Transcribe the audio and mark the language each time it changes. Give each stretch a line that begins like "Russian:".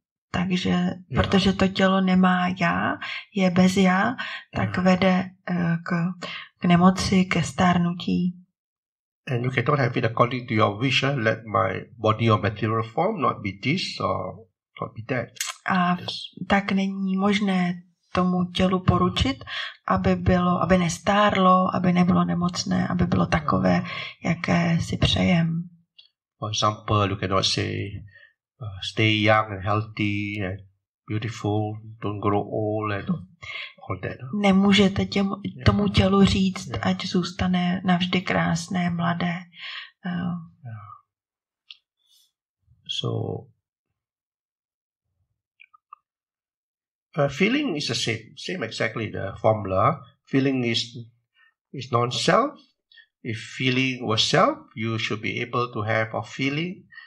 Czech: Takže, protože to tělo nemá já, je bez já, tak vede k nemoci, ke stárnutí.
English: And you cannot have it according to your wish. Let my body or material form not be this or not be that.
Czech: A tak není možné tomu tělu poručit, aby bylo, aby nestárlo, aby nebylo nemocné, aby bylo takové, jaké si přejem.
English: For example, you cannot say, stay young and healthy and beautiful, don't grow old and all that.
Czech: Nemůžete tomu tělu říct, ať zůstane navždy krásné, mladé.
English: So, feeling is the same exactly the formula. Feeling is non-self. If feeling was self, you should be able to have a feeling.